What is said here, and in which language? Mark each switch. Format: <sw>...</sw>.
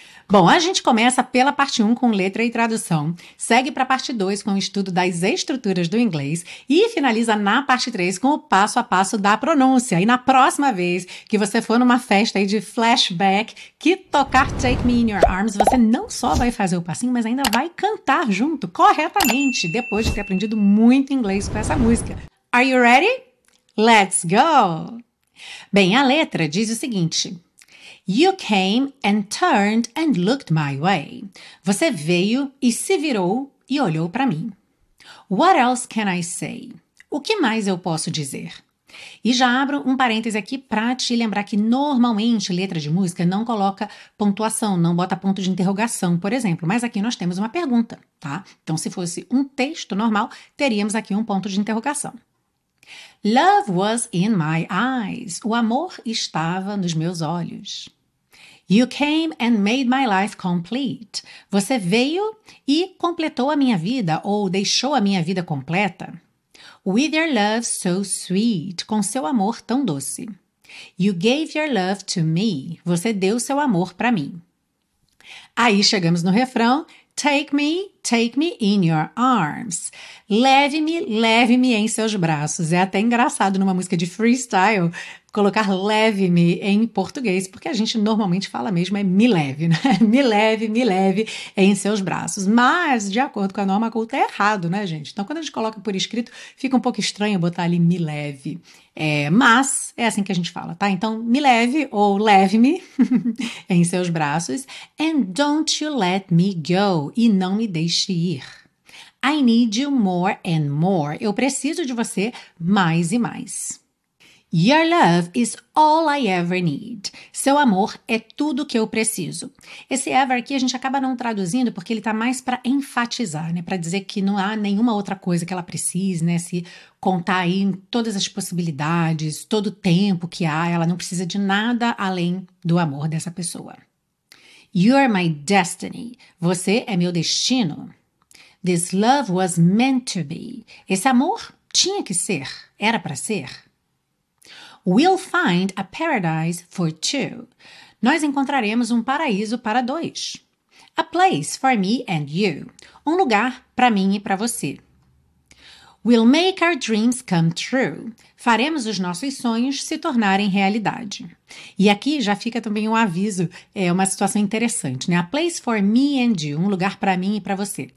<pt>Bom, a gente começa pela parte 1 com letra e tradução, segue para a parte 2 com o estudo das estruturas do inglês e finaliza na parte 3 com o passo a passo da pronúncia. E na próxima vez que você for numa festa aí de flashback, que tocar Take Me In Your Arms, você não só vai fazer o passinho, mas ainda vai cantar junto, corretamente, depois de ter aprendido muito inglês com essa música.</pt> <en>Are you ready? Let's go!</en> <pt>Bem, a letra diz o seguinte.</pt> <en>You came and turned and looked my way.</en> <pt>Você veio e se virou e olhou para mim.</pt> <en>What else can I say?</en> <pt>O que mais eu posso dizer? E já abro um parêntese aqui para te lembrar que normalmente letra de música não coloca pontuação, não bota ponto de interrogação, por exemplo. Mas aqui nós temos uma pergunta, tá? Então, se fosse um texto normal, teríamos aqui um ponto de interrogação.</pt> <en>Love was in my eyes.</en> <pt>O amor estava nos meus olhos.</pt> <en>You came and made my life complete.</en> <pt>Você veio e completou a minha vida ou deixou a minha vida completa.</pt> <en>With your love so sweet.</en> <pt>Com seu amor tão doce.</pt> <en>You gave your love to me.</en> <pt>Você deu seu amor para mim. Aí chegamos no refrão.</pt> <en>Take me in your arms.</en> <pt>Leve-me em seus braços. É até engraçado numa música de freestyle colocar leve-me em português, porque a gente normalmente fala mesmo é me leve, né? Me leve em seus braços. Mas, de acordo com a norma culta, é errado, né, gente? Então, quando a gente coloca por escrito, fica um pouco estranho botar ali me leve. Mas é assim que a gente fala, tá? Então, me leve ou leve-me em seus braços.</pt> <en>And don't you let me go.</en> <pt>E não me deixe ir.</pt> <en>I need you more and more.</en> <pt>Eu preciso de você mais e mais.</pt> <en>Your love is all I ever need.</en> <pt>Seu amor é tudo que eu preciso. Esse ever aqui a gente acaba não traduzindo porque ele está mais para enfatizar, né? Para dizer que não há nenhuma outra coisa que ela precise, né? Se contar aí todas as possibilidades, todo o tempo que há, ela não precisa de nada além do amor dessa pessoa.</pt> <en>You are my destiny.</en> <pt>Você é meu destino.</pt> <en>This love was meant to be.</en> <pt>Esse amor tinha que ser, era para ser.</pt> <en>We'll find a paradise for two.</en> <pt>Nós encontraremos um paraíso para dois.</pt> <en>A place for me and you.</en> <pt>Um lugar para mim e para você.</pt> <en>We'll make our dreams come true.</en> <pt>faremos os nossos sonhos se tornarem realidade. E aqui já fica também um aviso, é uma situação interessante, né?</pt> <en>A place for me and you,</en> <pt>um lugar para mim e para você.</pt>